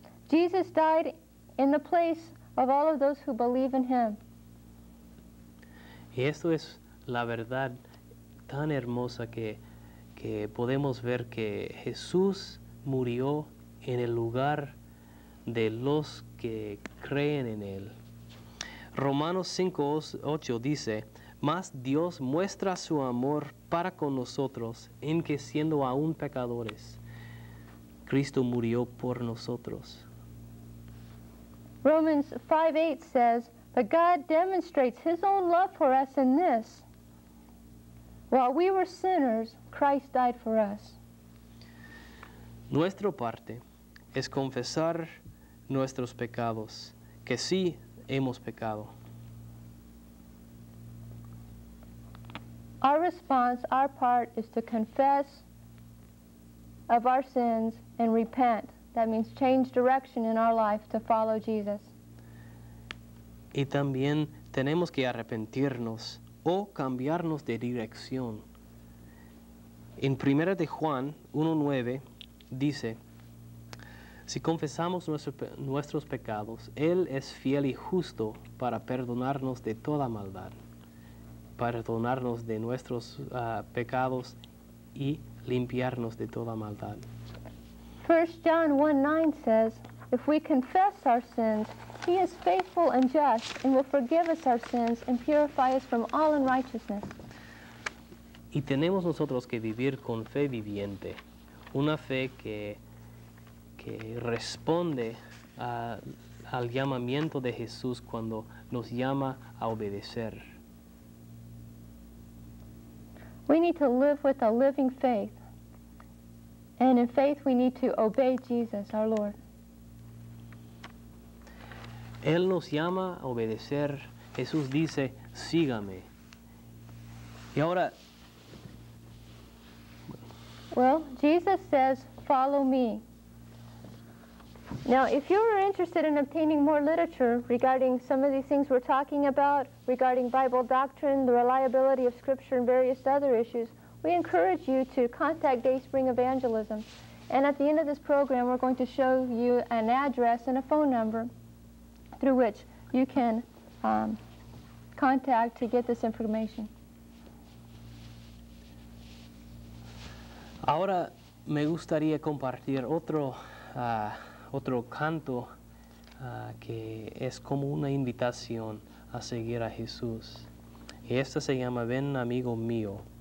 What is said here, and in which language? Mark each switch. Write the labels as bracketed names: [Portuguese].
[English] Jesus died in the place of all of those who believe in him. [Spanish] Y esto es la verdad tan hermosa que podemos ver que Jesús murió en el lugar de los que creen en él. Romanos 5:8 dice, mas Dios muestra su amor para con nosotros en que siendo aún pecadores, Cristo murió por nosotros. [English] Romans 5:8 says, but God demonstrates his own love for us in this. While we were sinners, Christ died for us. [Spanish] Nuestra parte es confesar nuestros pecados, que sí hemos pecado. [English] Our response, our part, is to confess of our sins and repent. That means change direction in our life to follow Jesus. [Spanish] Y también tenemos que arrepentirnos o cambiarnos de dirección. En 1 de Juan 1:9 dice, si confesamos nuestros pecados, Él es fiel y justo para perdonarnos de toda maldad, perdonarnos de nuestros pecados y limpiarnos de toda maldad. [English] 1 John 1:9 says, if we confess our sins, He is faithful and just and will forgive us our sins and purify us from all unrighteousness. [Spanish] Y tenemos nosotros que vivir con fe viviente, una fe que responde al llamamiento de Jesús cuando nos llama a obedecer. [English] We need to live with a living faith. And in faith we need to obey Jesus, our Lord. [Spanish] Él nos llama a obedecer. Jesús dice, sígame. Y ahora, [English] Jesus says, follow me. Now, if you are interested in obtaining more literature regarding some of these things we're talking about, regarding Bible doctrine, the reliability of Scripture, and various other issues, we encourage you to contact Dayspring Evangelism. And at the end of this program, we're going to show you an address and a phone number through which you can contact to get this information. [Spanish] Ahora me gustaría compartir otro canto que es como una invitación a seguir a Jesús. Y esta se llama Ven Amigo Mío.